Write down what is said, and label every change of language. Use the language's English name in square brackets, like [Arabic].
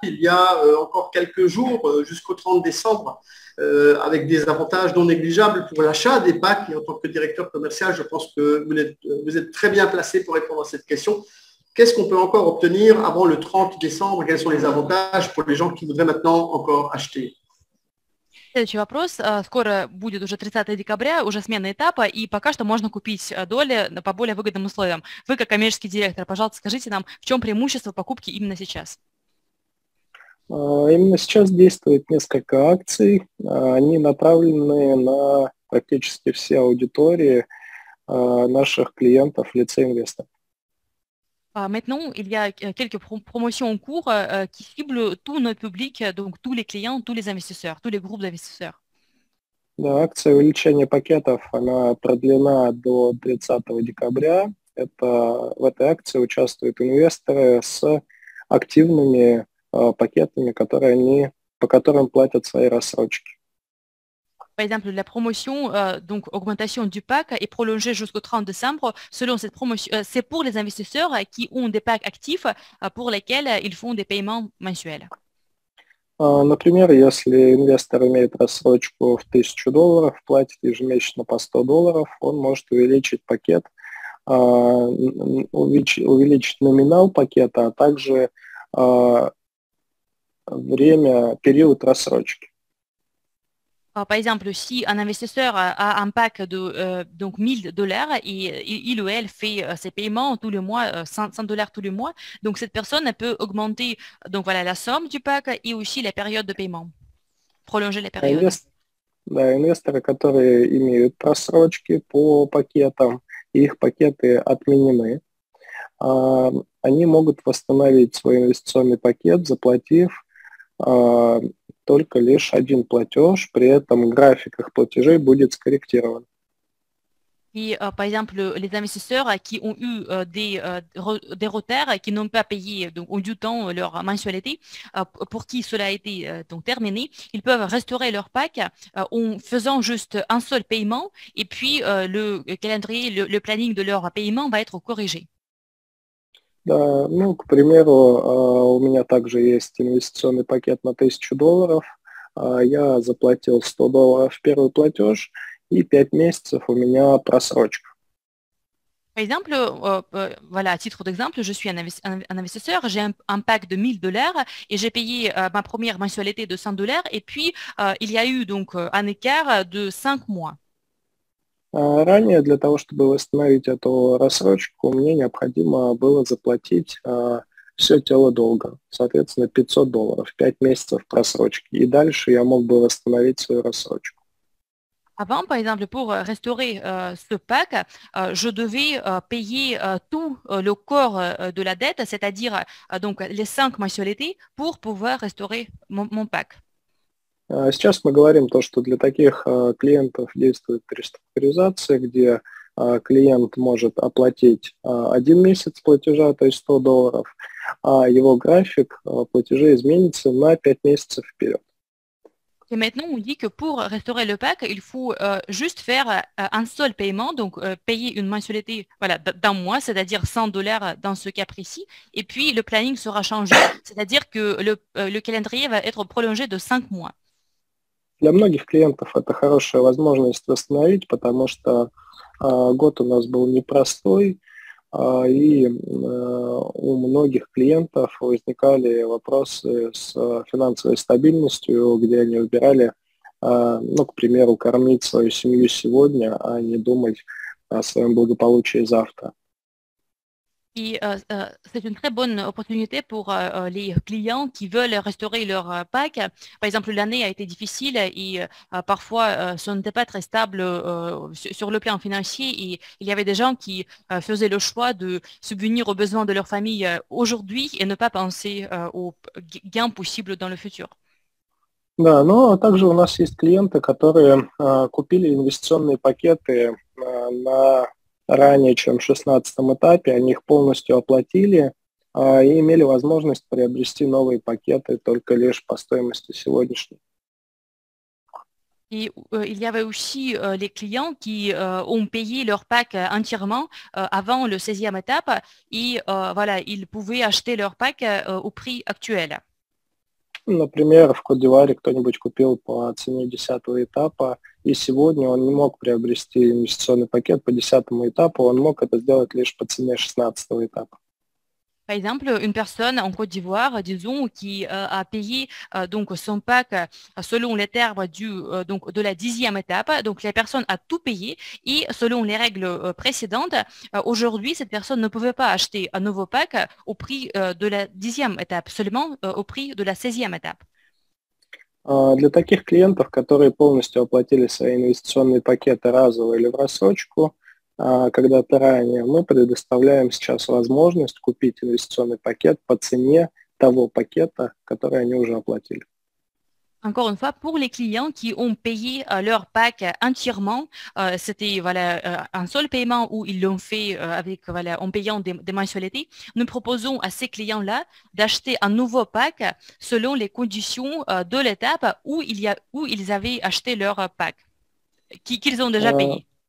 [French] Il y a encore quelques jours, jusqu'au 30 décembre, avec des avantages non négligeables pour l'achat des packs. Et en tant que directeur commercial, je pense que vous êtes très bien placé pour répondre à cette question. Qu'est-ce qu'on peut encore obtenir avant le 30 décembre? Quels sont les avantages pour les gens qui voudraient maintenant encore acheter? [Russian] Следующий вопрос. Скоро будет уже 30 декабря, уже смена этапа, и пока что можно купить доли по более выгодным условиям. Вы, как коммерческий директор, пожалуйста, скажите нам, в чем преимущество покупки именно сейчас? Именно сейчас действует несколько акций. Они направлены на практически все аудитории наших клиентов в лице инвесторов. [French] Maintenant, il y a quelques promotions en cours qui ciblent tout notre public, donc tous les clients, tous les investisseurs, tous les groupes d'investisseurs. [Russian] Да, акция увеличения пакетов, она продлена до 30 декабря. В этой акции участвуют инвесторы с активными пакетами, по которым платят свои рассрочки. [French] Par exemple, la promotion, donc augmentation du pack est prolongée jusqu'au 30 décembre. Selon cette promotion, c'est pour les investisseurs qui ont des packs actifs pour lesquels ils font des paiements mensuels. [Russian] Например, если инвестор имеет рассрочку в 1000 долларов, платит ежемесячно по 100 долларов, он может увеличить пакет, увеличить номинал пакета, а также период рассрочки. [French] Par exemple, si un investisseur a un pack donc 1 000 $ et il ou elle fait ses paiements tous les mois, 100 $ tous les mois, donc cette personne elle peut augmenter donc voilà la somme du pack et aussi la période de paiement, prolonger la période. [Russian] Инвесторы, которые имеют просрочки по пакетам, их пакеты отменены. они могут восстановить свой инвестиционный пакет, заплатив только лишь один платеж, при этом график их платежей будет скорректирован. [French] Puis, par exemple, les investisseurs qui ont eu des retards, qui n'ont pas payé donc, au due temps leur mensualité, pour qui cela a été donc, terminé, ils peuvent restaurer leur pack en faisant juste un seul paiement et puis le calendrier, le planning de leur paiement va être corrigé. [Russian] Да, ну, к примеру, у меня также есть инвестиционный пакет на $1000. Я заплатил $100 в первый платеж, и 5 месяцев у меня просрочка. [French] Par exemple, voilà, à titre d'exemple, je suis un investisseur, j'ai un pack de $1000 et j'ai payé ma première mensualité de $100 et puis il y a eu donc un écart de 5 mois. [Russian] Ранее для того, чтобы восстановить эту рассрочку, мне необходимо было заплатить все тело долга, соответственно, $500, 5 месяцев просрочки, и дальше я мог бы восстановить свою рассрочку. [French] Avant, par exemple, pour restaurer ce pack, je devais payer tout le corps de la dette, c'est-à-dire donc les 5 mensualités, pour pouvoir restaurer mon pack. [Russian] Сейчас мы говорим то, что для таких клиентов действует реструктуризация, где клиент может оплатить 1 месяц платежа, то есть $100, а его график платежей изменится на 5 месяцев вперед. [French] Et maintenant, on dit que pour restaurer le pack, il faut juste faire un seul paiement, donc payer une mensualité voilà, d'un mois, c'est-à-dire $100 dans ce cas précis, et puis le planning sera changé, c'est-à-dire que le calendrier va être prolongé de 5 mois. [Russian] Для многих клиентов это хорошая возможность восстановить, потому что год у нас был непростой, и у многих клиентов возникали вопросы с финансовой стабильностью, где они выбирали, ну, к примеру, кормить свою семью сегодня, а не думать о своем благополучии завтра. [French] Et c'est une très bonne opportunité pour les clients qui veulent restaurer leur pack. Par exemple, l'année a été difficile et parfois, ce n'était pas très stable sur le plan financier. Et il y avait des gens qui faisaient le choix de subvenir aux besoins de leur famille aujourd'hui et ne pas penser aux gains possibles dans le futur. [Russian] Да, но также у нас есть клиенты, которые купили инвестиционные пакеты на ранее, чем в 16-м этапе, они их полностью оплатили и имели возможность приобрести новые пакеты только лишь по стоимости сегодняшней. И [French] il y avait aussi les clients qui ont payé leur pack entièrement avant le 16e étape et voilà, ils pouvaient acheter leur pack au prix actuel. [Russian] Например, в Кот-д'Ивуаре кто-нибудь купил по цене 10-го этапа, и сегодня он не мог приобрести инвестиционный пакет по 10-му этапу, он мог это сделать лишь по цене 16-го этапа. [French] Par exemple, une personne en Côte d'Ivoire, disons, qui a payé donc son pack selon les termes de la 10e étape, donc la personne a tout payé et selon les règles précédentes, aujourd'hui, cette personne ne pouvait pas acheter un nouveau pack au prix de la 10e étape, seulement au prix de la 16e étape. [Russian] Для таких клиентов, которые полностью оплатили свои инвестиционные пакеты разово или в рассрочку, когда-то ранее, мы предоставляем сейчас возможность купить инвестиционный пакет по цене того пакета, который они уже оплатили. [French] Encore une fois, pour les clients qui ont payé leur pack entièrement, c'était voilà, un seul paiement où ils l'ont fait avec, voilà, en payant des mensualités, nous proposons à ces clients-là d'acheter un nouveau pack selon les conditions de l'étape où ils avaient acheté leur pack, qu'ils ont déjà payé.